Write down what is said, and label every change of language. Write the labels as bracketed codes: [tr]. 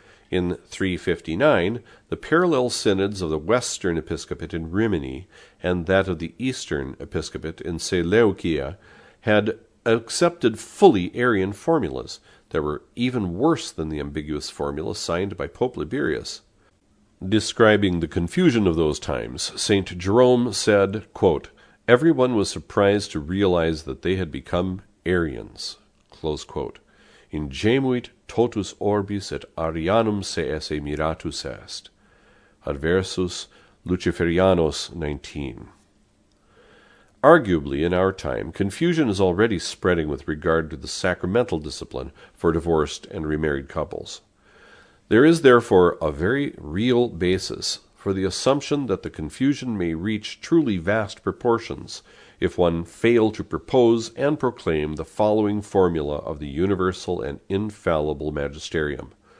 [en] In 359, the parallel synods of the Western Episcopate in Rimini and that of the Eastern Episcopate in Seleucia had accepted fully Arian formulas that were even worse than the ambiguous formula signed by Pope Liberius. Describing the confusion of those times, St. Jerome said, quote, everyone was surprised to realize that they had become Arians. Close quote. [la] Ingemuit totus orbis et Arianum se esse miratus est. Adversus Luciferianos 19. [en] Arguably, in our time, confusion is already spreading with regard to the sacramental discipline for divorced and remarried couples. There is, therefore, a very real basis for the assumption that the confusion may reach truly vast proportions if one fail to propose and proclaim the following formula of the universal and infallible magisterium.